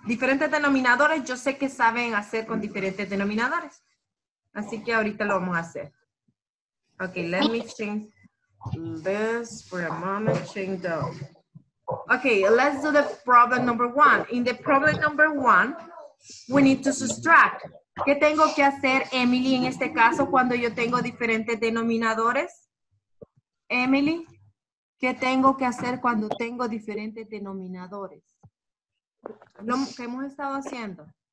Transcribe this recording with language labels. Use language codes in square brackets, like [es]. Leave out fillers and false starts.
[es] Diferentes denominadores, yo sé que saben hacer con diferentes denominadores. Así que ahorita lo vamos a hacer. [en] Okay, let me change this for a moment. Change the... Okay, let's do the problem number one. In the problem number one, we need to subtract. [es] ¿Qué tengo que hacer, Emily, en este caso, cuando yo tengo diferentes denominadores? Emily, ¿qué tengo que hacer cuando tengo diferentes denominadores? Lo que hemos estado haciendo.